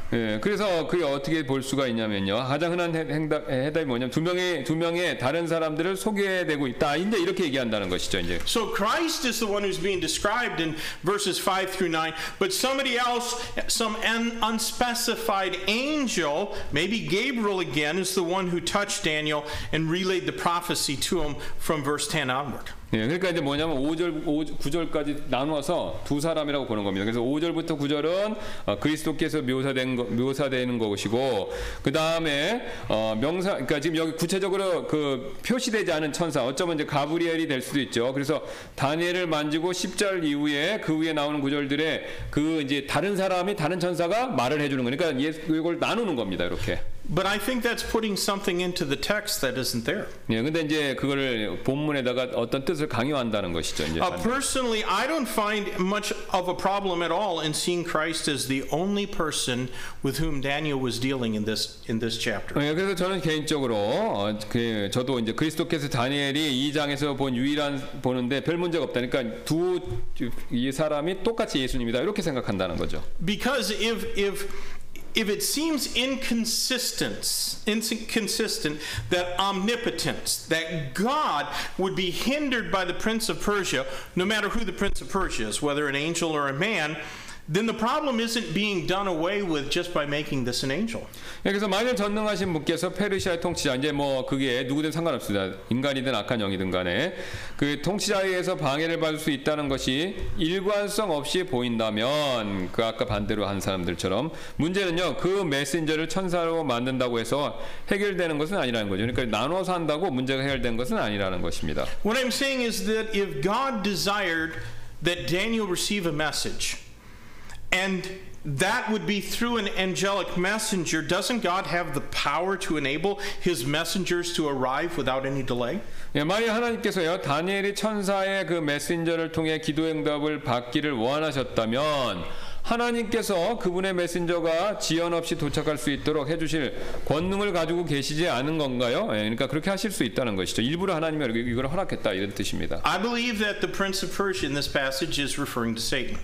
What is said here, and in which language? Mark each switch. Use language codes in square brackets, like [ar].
[ko] 예, 그래서 그게 어떻게 볼 수가 있냐면요. 가장 흔한 해답이 뭐냐면 두 명의 다른 사람들을 소개되고 있다. 이제 이렇게 얘기한다는 것이죠, 이제. [en] So Christ is the one who's being described in verses 5 through 9, but somebody else, some unspecified angel, maybe Gabriel again, is the one who touched Daniel and relayed the prophecy to him from verse 10 onward. [ko] 예, 그러니까 이제 뭐냐면 9절까지 나누어서 두 사람이라고 보는 겁니다. 그래서 5절부터 9절은 그리스도께서 묘사되는 것이고, 그 다음에 명사, 그러니까 지금 여기 구체적으로 그 표시되지 않은 천사, 어쩌면 이제 가브리엘이 될 수도 있죠. 그래서 다니엘을 만지고 10절 이후에 그 위에 나오는 구절들에 그 이제 다른 사람이 다른 천사가 말을 해주는 거니까 이걸 나누는 겁니다, 이렇게. [en] But I think that's putting something into the text that isn't there. [ko] 예, 근데 이제 그거를 본문에다가 어떤 뜻을 강요한다는 것이죠. 이제. [en] Personally, I don't find much of a problem at all in seeing Christ as the only person with whom Daniel was dealing in this chapter. [ko] 예, 그래서 저는 개인적으로 저도 이제 그리스도께서 다니엘이 이 장에서 본 유일한 보는데 별 문제가 없다니까 이 사람이 똑같이 예수님이다 이렇게 생각한다는 거죠. [en] Because if it seems inconsistent that omnipotence, that God would be hindered by the prince of Persia, no matter who the prince of Persia is, whether an angel or a man, then the problem isn't being done away with just by making this an angel. [ko] 그래서 만일 전능하신 분께서 페르시아의 통치자 이제 뭐 그게 누구든 상관없습니다. 인간이든 악한 영이든 간에 그 통치자에게서 방해를 받을 수 있다는 것이 일관성 없이 보인다면 그 아까 반대로 한 사람들처럼 문제는요. 그 메신저를 천사로 만든다고 해서 해결되는 것은 아니라는 거죠. 그러니까 나눠서 한다고 문제가 해결된 것은 아니라는 것입니다. [en] What I'm saying is that if God desired that Daniel receive a message and that would be through an angelic messenger, doesn't God have the power to enable his messengers to arrive without any delay? [ko] 예, 만약 하나님께서요 다니엘이 천사의 그 메신저를 통해 기도 응답을 받기를 원하셨다면 하나님께서 그분의 메신저가 지연 없이 도착할 수 있도록 해 주실 권능을 가지고 계시지 않은 건가요? 예, 그러니까 그렇게 하실 수 있다는 것이죠. 일부러 하나님이 이걸 허락했다 이런 뜻입니다. [en] I believe that the prince of Persia in this passage is referring to Satan.